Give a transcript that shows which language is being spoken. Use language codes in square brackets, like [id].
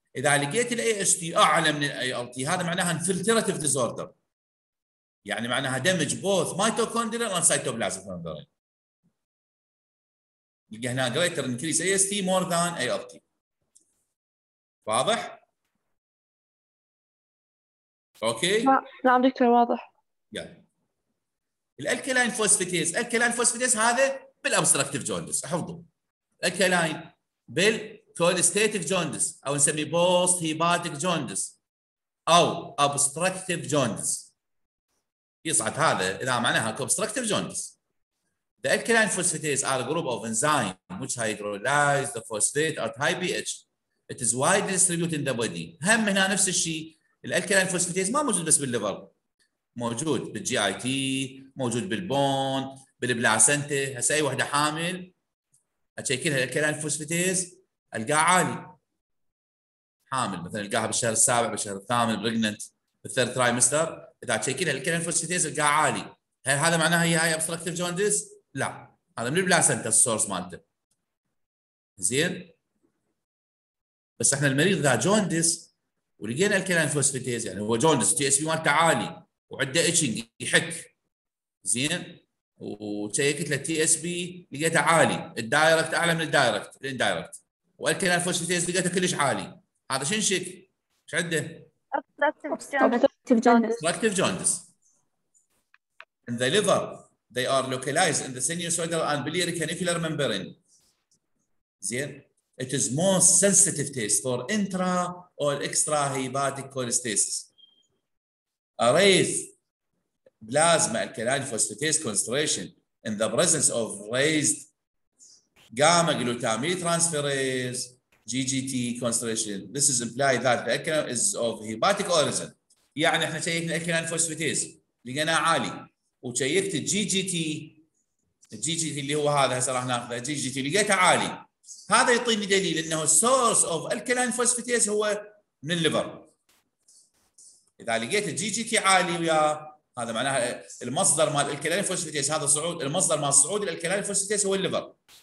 [ar] إذا لقيت الـ AST أعلى من الـ ALT, هذا معناها infiltrative disorder, يعني معناها [en] damage both mitochondrial and cytoplasmic membrane. [ar] لقى هنا [en] greater increase AST more than ALT. [ar] واضح؟ أوكي؟ نعم دكتور واضح. يعني الألكالين فوسفيتيز, الألكالين فوسفيتيز هذا بالأبستراكتيف جوندس, أحفظه. الألكالين بال cholestatic jaundice او نسميه post hepatic jaundice او obstructive jaundice, يصعد هذا اذا معناها obstructive jaundice. [en] The alkaline phosphatase are a group of enzyme which hydrolyze the phosphate at high pH. It is widely distributed in the body. [ar] هم هنا نفس الشيء, الالكاليني فوسفاتيز ما موجود بس بالليفر, موجود بالجي اي تي, موجود بالبون, بالبلاسنتا. هسه اي وحده حامل اتشيك لها الالكاليني فوسفاتيز القاع عالي, حامل مثلا القاها بالشهر السابع, بالشهر الثامن, بريجننت, بالثيرد ترايمستر, اذا تشيكين الكلين فوسفيتيز القاع عالي, هل هذا معناها هي هاي ابستراكتيف جوندس؟ لا, هذا من البلاسنتا السورس مالته. زين, بس احنا المريض ذا جوندس ولقينا الكلين فوسفيتيز, يعني هو جوندس تي اس بي مالته عالي وعنده اتشنج يحك, زين, وشيكت له تي اس بي لقيته عالي, الدايركت اعلى من الدايركت الاندايركت, والكلين فوسفيتيز لقيته كلش عالي, هذا شنو شك؟ ايش عنده؟ [en] obstructive jaundice. In the liver, they are localized in the sinusoidal and biliary canicular membrane. زين, it is most sensitive test for intra or extra hepatic cholestasis. A raised plasma alkaline phosphatase concentration in the presence of raised gamma glutamate transferase GGT concentration. This is implied that the alkaline is of hepatic origin. [ar] يعني احنا شيكنا الكلين فوسفيتيز لقيناه عالي, وشيكت الجي جي تي اللي هو هذا هسه راح ناخذه, جي جي تي لقيته عالي, هذا يعطيني دليل انه السورس اوف الكلين فوسفيتيز هو من الليفر. اذا لقيت الجي جي تي عالي ويا هذا معناها المصدر مال الكلين فوسفيتيز هذا صعود, المصدر مال صعود الكلين فوسفيتيز هو الليفر.